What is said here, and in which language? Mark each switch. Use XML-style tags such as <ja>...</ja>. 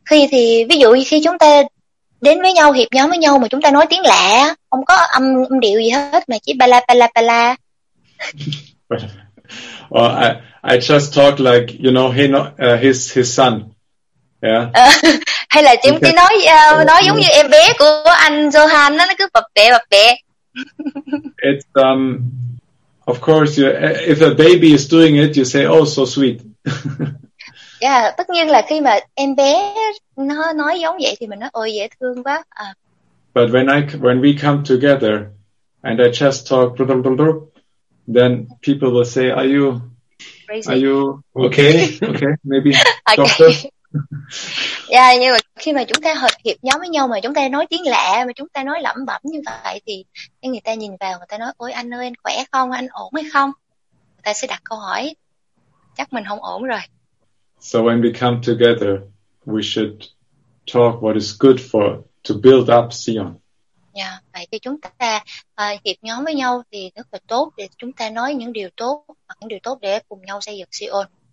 <vi>Vì ví dụ khi chúng ta đến với nhau, hiệp nhóm với nhau mà chúng ta nói tiếng lạ, không có âm điệu gì hết mà chỉ ba la ba la ba la.</vi> <en>Well, I just talk like, you know, his son. Yeah.</en> <vi>Hay là chúng ta nói giống như em bé của anh Johan, nó cứ bập bẹ bập bẹ.</vi> <en>It's of course, if a baby is doing it, you say, oh, so sweet.</en> <vi>Yeah, tất nhiên là khi mà em bé nó nói giống vậy thì mình nói, ôi, dễ thương quá.</vi> <en>But when we come together and I just talk, then people will say, are you okay? Maybe. Okay.</en> <vi>Yeah, nhưng mà khi mà chúng ta hiệp nhóm với nhau mà chúng ta nói tiếng lạ, mà chúng ta nói lẩm bẩm như vậy thì người ta nhìn vào, người ta nói, ôi anh ơi, anh khỏe không? Anh ổn hay không? Người ta sẽ đặt câu hỏi, chắc mình không ổn rồi.</vi> <en>So when we come together, we should talk what is good for to build up Zion.</en> <vi>Yeah, vậy thì chúng ta hiệp nhóm với nhau thì rất là tốt để chúng ta nói những điều tốt, hoặc những điều tốt để cùng nhau xây dựng Zion.</vi>